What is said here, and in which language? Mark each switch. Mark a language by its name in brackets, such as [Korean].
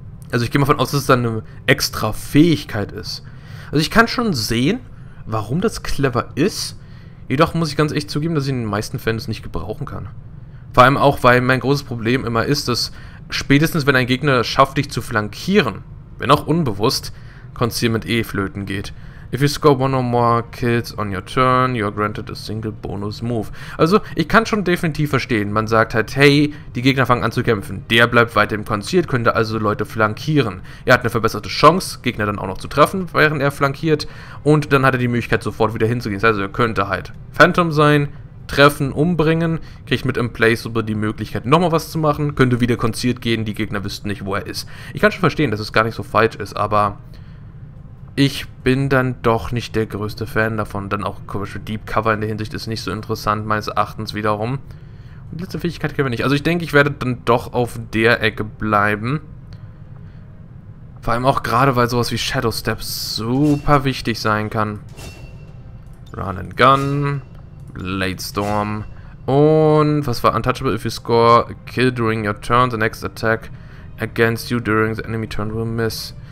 [German] Also ich gehe mal davon aus, dass es dann eine extra Fähigkeit ist. Also ich kann schon sehen, warum das clever ist. Jedoch muss ich ganz echt zugeben, dass ich in den meisten Fällen es nicht gebrauchen kann. Vor allem auch, weil mein großes Problem immer ist, dass spätestens wenn ein Gegner schafft, dich zu flankieren, wenn auch unbewusst, Concealment E flöten geht. [English] If you score one or more kills on your turn, you are granted a single bonus move. [German] Also, ich kann schon definitiv verstehen. Man sagt halt, hey, die Gegner fangen an zu kämpfen. Der bleibt weiter im Concealed, könnte also Leute flankieren. Er hat eine verbesserte Chance, Gegner dann auch noch zu treffen, während er flankiert. Und dann hat er die Möglichkeit, sofort wieder hinzugehen. Das heißt, er könnte halt Phantom sein, treffen, umbringen, kriegt mit Emplaceable die Möglichkeit, nochmal was zu machen, könnte wieder Concealed gehen, die Gegner wüssten nicht, wo er ist. Ich kann schon verstehen, dass es gar nicht so falsch ist, aber... Ich bin dann doch nicht der größte Fan davon. Dann auch zum Beispiel Deep Cover in der Hinsicht ist nicht so interessant, meines Erachtens wiederum. Und letzte Fähigkeit kennen wir nicht. Also ich denke, ich werde dann doch auf der Ecke bleiben. Vor allem auch gerade, weil sowas wie Shadow Steps super wichtig sein kann. [English] Run and Gun. Blade Storm. [German] Und was war Untouchable? [English] If you score a kill during your turn, the next attack against you during the enemy turn will miss.